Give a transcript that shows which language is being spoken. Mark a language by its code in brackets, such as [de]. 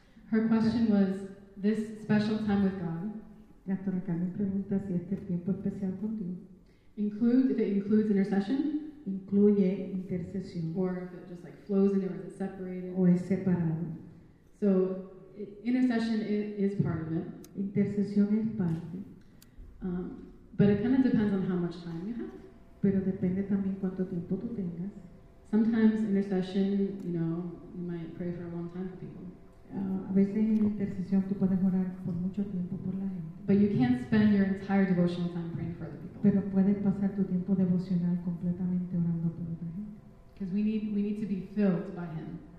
[en] Her question was this special time with God. [es] Pastora Carmen pregunta si este tiempo especial con Dios. [en] Includes intercession. [es] Incluye intercesión. [en] Or if it just like flows in there, is it separated? [es] O es separado. [en] So intercession is part of it. [es] Intercesión es parte. [en] But it kind of depends on how much time you have. [es] Pero depende también cuánto tiempo tú tengas. [en] Sometimes intercession, you might pray for a long time for people. [es] A veces en intercesión tú puedes orar por mucho tiempo por la gente. [en] But you can't spend your entire devotional time praying for other people. [es] Pero puedes pasar tu tiempo devocional completamente orando por otra gente. [en] Because we need to be filled by Him.